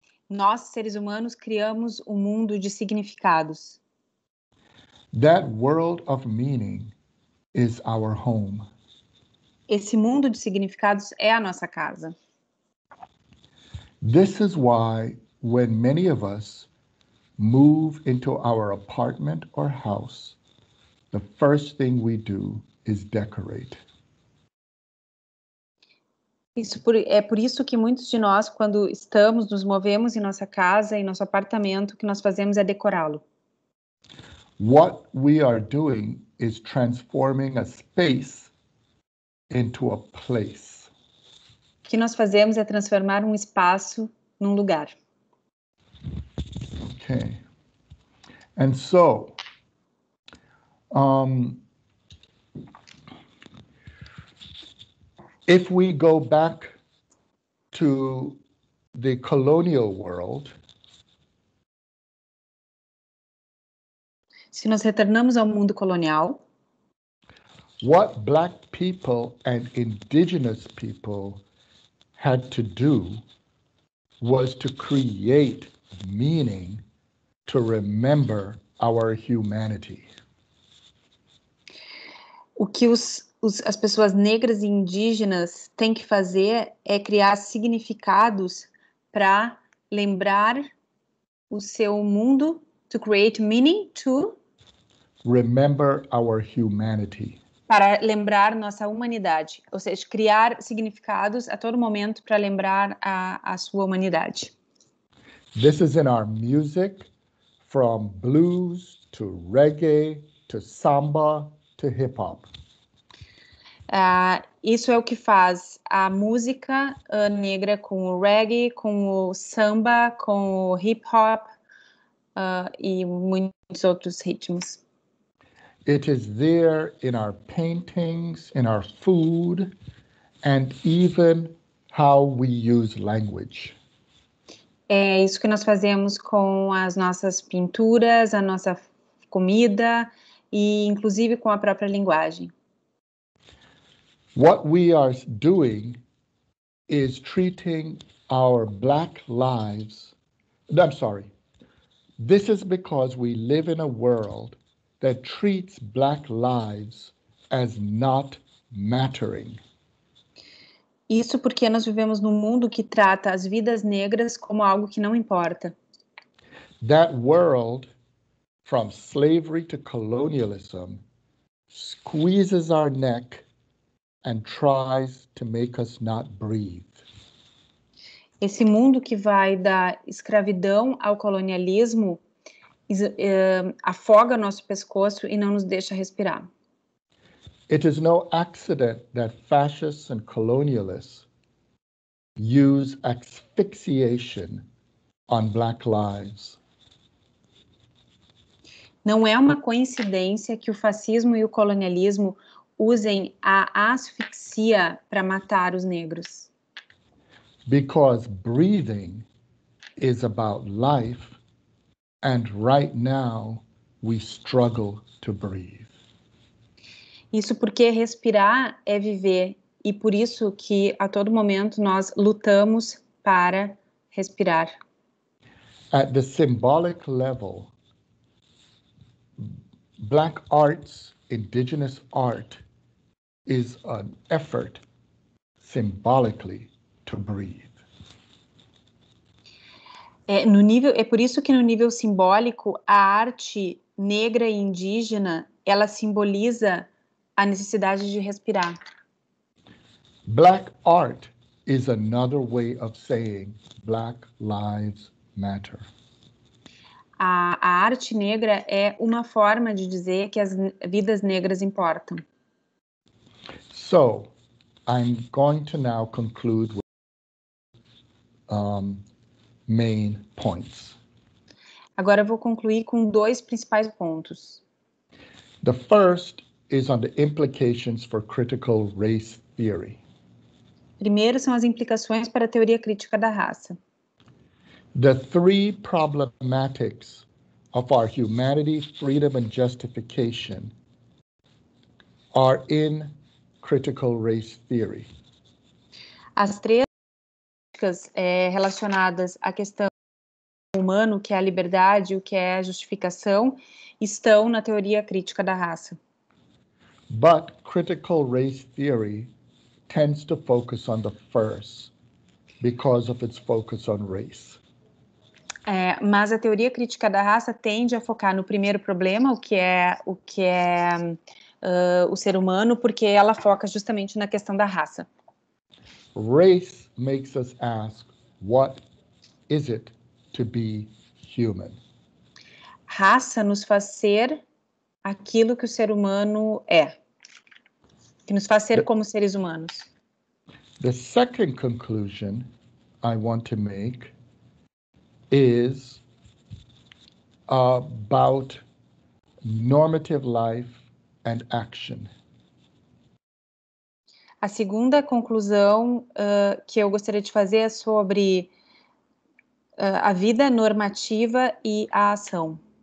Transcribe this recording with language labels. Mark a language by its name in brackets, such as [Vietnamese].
[Portuguese] Nós, seres humanos, criamos um mundo de significados. [English] That world of meaning is our home. [Portuguese] Esse mundo de significados é a nossa casa. [English] This is why, when many of us move into our apartment or house, the first thing we do is decorate. [Portuguese] É por isso que muitos de nós, quando estamos, nos movemos em nossa casa, em nosso apartamento, o que nós fazemos é decorá-lo. [English] What we are doing is transforming a space into a place. [Portuguese] O que nós fazemos é transformar um espaço num lugar. [English] Okay. And so, if we go back to the colonial world, [Portuguese] se nós retornamos ao mundo colonial, [English] what black people and indigenous people had to do was to create meaning to remember our humanity. [Portuguese] O que as pessoas negras e indígenas têm que fazer é criar significados para lembrar o seu mundo, [English] to create meaning to remember our humanity. [Portuguese] Para lembrar nossa humanidade, ou seja, criar significados a todo momento para lembrar a sua humanidade. [English] This is in our music, from blues to reggae to samba to hip hop. [Portuguese] Isso é o que faz a música negra com o reggae, com o samba, com o hip hop e muitos outros ritmos. [English] It is there in our paintings, in our food, and even how we use language. [Portuguese] É isso que nós fazemos com as nossas pinturas, a nossa comida e inclusive com a própria linguagem. [English] What we are doing is treating our black lives. I'm sorry. This is because we live in a world that treats black lives as not mattering. [Portuguese] Isso porque nós vivemos num mundo que trata as vidas negras como algo que não importa. [English] That world, from slavery to colonialism, squeezes our neck and tries to make us not breathe. [Portuguese] Esse mundo que vai da escravidão ao colonialismo afoga nosso pescoço e não nos deixa respirar. [English] It is no accident that fascists and colonialists use asphyxiation on Black lives. [Portuguese] Não é uma coincidência que o fascismo e o colonialismo usem a asfixia para matar os negros. [English] Because breathing is about life, and right now we struggle to breathe. [Portuguese] Isso porque respirar é viver, e por isso que a todo momento nós lutamos para respirar. [English] At the symbolic level, Black arts, indigenous art, is an effort symbolically to breathe. [Portuguese] É por isso que no nível simbólico, a arte negra e indígena, ela simboliza a necessidade de respirar. [English] Black art is another way of saying Black lives matter. [Portuguese] A arte negra é uma forma de dizer que as vidas negras importam. [English] So, I'm going to now conclude with main points. [Portuguese] Agora eu vou concluir com dois principais pontos. [English] The first is on the implications for critical race theory. [Portuguese] Primeiro são as implicações para a teoria crítica da raça. [English] The three problematics of our humanity, freedom and justification are in critical race theory. [Portuguese] As três relacionadas à questão humano, que é a liberdade, o que é a justificação, estão na teoria crítica da raça. [English] But critical race theory tends to focus on the first because of its focus on race. [Portuguese] Mas a teoria crítica da raça tende a focar no primeiro problema, o ser humano, porque ela foca justamente na questão da raça. [English] Race makes us ask, what is it to be human? [Portuguese] Raça nos faz ser aquilo que o ser humano é, que nos faz ser como seres humanos. [English] The second conclusion I want to make is about normative life and action. [Portuguese] A segunda conclusão que eu gostaria de fazer é sobre a vida normativa e a ação.